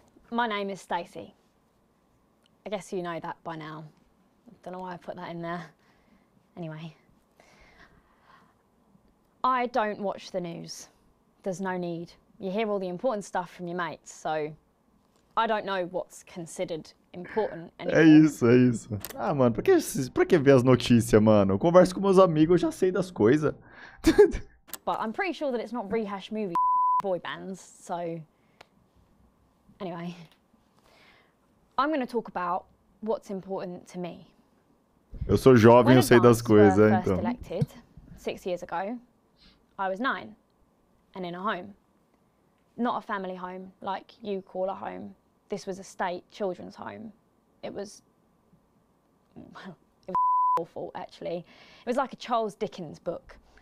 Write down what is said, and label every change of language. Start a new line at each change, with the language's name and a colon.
English: My name is Stacey. I guess you know that by now. Don't know why I put that in there. Anyway. I don't watch the news. There's no need. You hear all the important stuff from your mates, so I don't know what's considered important anymore.
Portuguese: É isso, é isso. Ah, mano, pra que ver as notícias, mano? Eu converso com meus amigos, eu já sei das coisas.
English: But I'm pretty sure that it's not rehashed movie boy bands, so... Anyway, I'm going to talk about what's important to me.
Portuguese: Eu sou jovem, eu sei das coisas, então.
English: When I was first elected, 6 years ago, I was 9 and in a home. Not a family home like you call a home. This was a state children's home. It was awful, actually. It was like a Charles Dickens book.